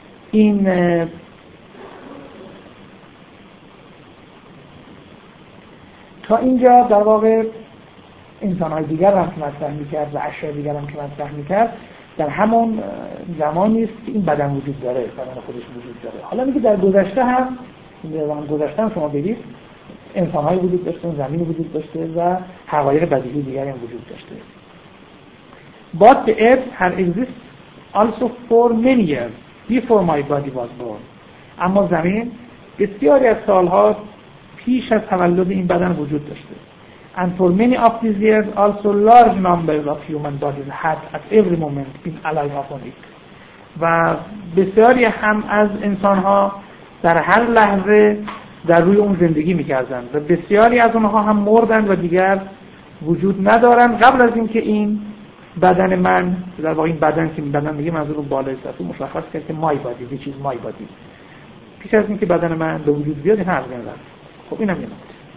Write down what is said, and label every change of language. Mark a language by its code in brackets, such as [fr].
[fa] این تا اینجا در واقع انسان‌های دیگر را که مطرح می‌کرد و اشیاء دیگر هم که مطرح می‌کرد در همون زمانی است که این بدن وجود داره، بدن خودش وجود داره. حالا میگه در گذشته هم، در گذشته هم شما ببینید انسان‌های وجود داشته، زمین وجود داشته و حقایق بدیهی دیگری هم وجود داشته. [en] But the earth had existed also for many years before my body was born. [fa] اما زمین بسیاری از سالها پیش از تولد این بدن وجود داشته. [en] And for many of these years also large numbers of human bodies had at every moment been alive upon it. [fa] و بسیاری هم از انسان‌ها در هر لحظه در روی اون زندگی می‌کردند و بسیاری از اونها هم مردند و دیگر وجود ندارند قبل از اینکه این بدن من، در واقع این بدن که بدن دیگه منظور بالای سطح مشخص کرد که [en] my body, [fa] یه چیز مای بادی، پیش از اینکه بدن من به وجود بیاد این هر بینه رفت. خب این هم یه نکته.